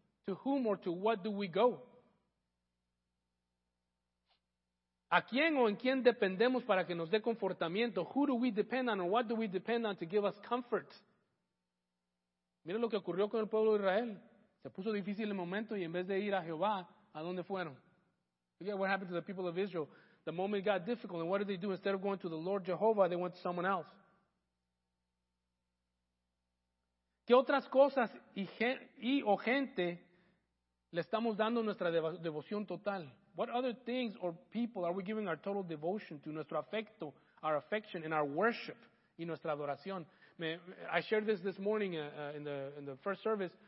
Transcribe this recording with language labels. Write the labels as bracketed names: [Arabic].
[English] To whom or to what do we go? [Spanish] ¿A quién o en quién dependemos para que nos dé confortamiento? [English] Who do we depend on or what do we depend on to give us comfort? [Spanish] Miren lo que ocurrió con el pueblo de Israel. Se puso difícil el momento y en vez de ir a Jehová, ¿a dónde fueron? [English] Look at what happened to the people of Israel. The moment got difficult, and what did they do? Instead of going to the Lord Jehovah, they went to someone else. [Spanish] ¿Qué otras cosas y o gente le estamos dando nuestra devoción total? [English] What other things or people are we giving our total devotion to? [Spanish] Nuestro afecto, [English] our affection, and our worship, [Spanish] y nuestra adoración. [English] I shared this morning in the first service.